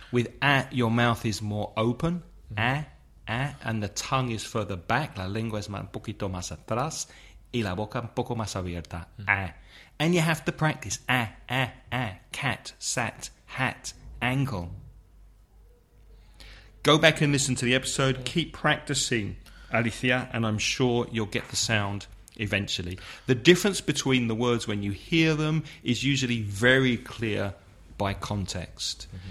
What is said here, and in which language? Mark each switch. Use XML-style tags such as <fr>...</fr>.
<en>With ah, your mouth is more open, ah, and the tongue is further back.</en> <es>La lengua es un poquito más atrás y la boca un poco más abierta, ah.</es> <en>And you have to practice ah, cat, sat, hat, ankle. Go back and listen to the episode. Keep practicing, Alicia, and I'm sure you'll get the sound eventually. The difference between the words when you hear them is usually very clear by context.</en>